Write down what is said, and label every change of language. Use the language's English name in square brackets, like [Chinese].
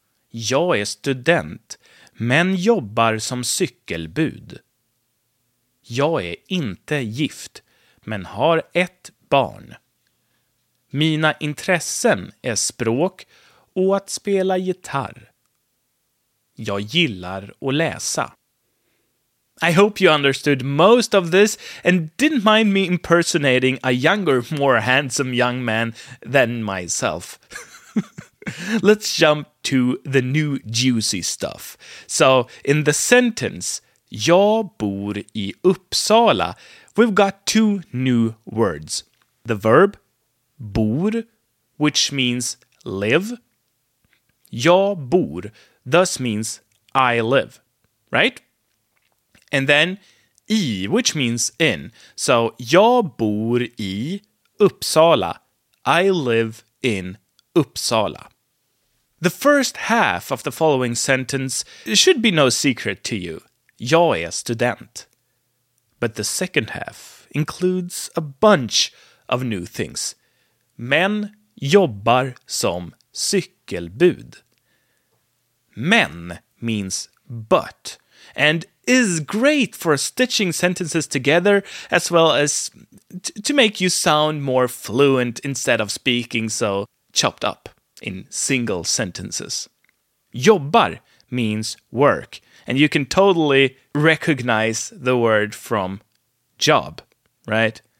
[Swedish] Jag är student, men jobbar som cykelbud. Jag är inte gift, men har ett barn. Mina intressen är språk och att spela gitarr. Jag gillar att läsa. [English] I hope you understood most of this and didn't mind me impersonating a younger, more handsome young man than myself. Let's jump to the new juicy stuff. So, in the sentence, [Swedish] jag bor i Uppsala, [English] we've got two new words. The verb, bor, which means live. [Swedish] Jag bor, [English] thus means I live, right? And then I, which means in. So, [Swedish] jag bor i Uppsala. [English] I live in Uppsala. The first half of the following sentence should be no secret to you. [Swedish] Jag är student. [English] But the second half includes a bunch of new things. [Swedish] Men jobbar som cykelbud. [English] Men means but, and is great for stitching sentences together as well as to make you sound more fluent instead of speaking so chopped up in single sentences. Jobbar means work, and you can totally recognize the word from job, right?